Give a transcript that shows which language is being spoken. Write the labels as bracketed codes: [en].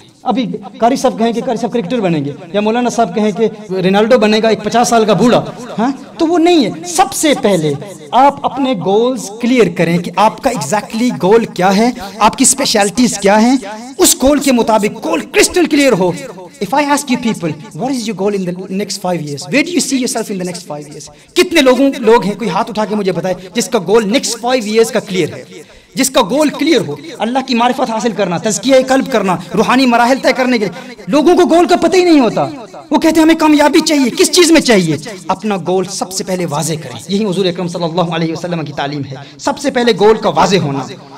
[hi] अभी कारी साहब कहेंगे कारी साहब क्रिकेटर बनेंगे, या मौलाना साहब कहें कि रोनाल्डो बनेगा एक 50 साल का बूढ़ा, हाँ तो वो नहीं है। सबसे पहले आप अपने गोल्स क्लियर करें कि आपका एग्जैक्टली गोल क्या है, आपकी स्पेशलिटीज क्या है, उस गोल के मुताबिक गोल क्रिस्टल क्लियर हो। [en] If I ask you people, what is your goal in the next 5 years? Where do you see yourself in the next 5 years? [hi] कितने लोग हैं, कोई हाथ उठा के मुझे बताए जिसका गोल [en] next 5 years [hi] का क्लियर है, जिसका गोल क्लियर हो अल्लाह की मारिफत हासिल करना, तज़किया कल्ब करना, रूहानी मराहिल तय करने के लिए। लोगों को गोल का पता ही नहीं होता, वो कहते हैं हमें कामयाबी चाहिए, किस चीज़ में चाहिए। अपना गोल सबसे पहले वाजे करें, यही हुज़ूर अकरम सल्लल्लाहु अलैहि वसल्लम की तालीम है, सबसे पहले गोल का वाजे होना।